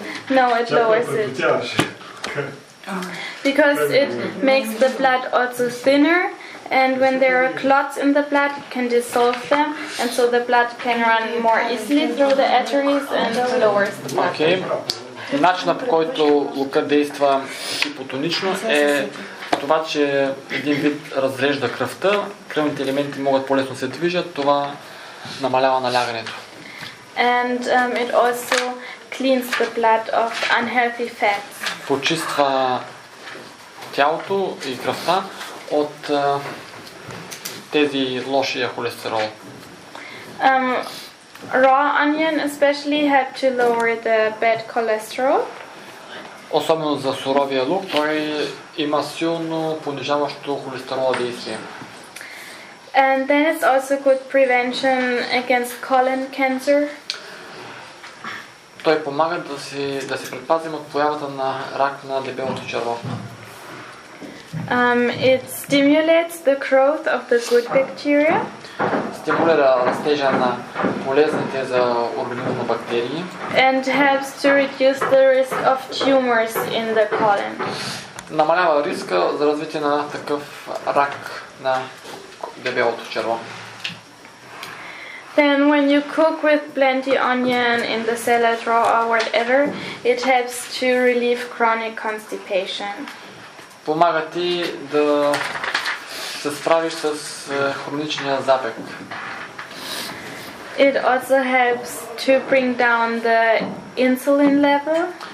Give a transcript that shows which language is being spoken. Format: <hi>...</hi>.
<en>No, it lowers it. Because it makes the blood also thinner, and when there are clots in the blood, it can dissolve them, and so the blood can run more easily through the arteries, and it lowers the blood. Okay.</en> <bg>Начинът, по който лука действа хипотонично, е това, че един вид разрежда кръвта, кръвните елементи могат по-лесно се движат, това намалява налягането.</bg> <en>And it also cleans the blood of unhealthy fats.</en> <bg>Почиства тялото и кръвта от тези лошия холестерол.</bg> <en>Raw onion especially help to lower the bad cholesterol.</en> <bg>Особено за суровия лук, той има силно понижаващо холестерола действие.</bg> <en>And then it's also good prevention against colon cancer.</en> <bg>Той помага да се предпазим от появата на рак на дебелото черво.</bg> <en>It stimulates the growth of the good bacteria.</en> <bg>Стимулира растежа на полезните за организма бактерии.</bg> <en>And helps to reduce the risk of tumors in the colon.</en> <bg>Намалява риска за развитие на такъв рак на дебелото черво.</bg> <en>Then when you cook with plenty onion in the salad raw or whatever, it helps to relieve chronic constipation.</en> <bg>Помага ти да се справиш с хроничния запек.</bg> <en>It also helps to bring down the insulin level.</en>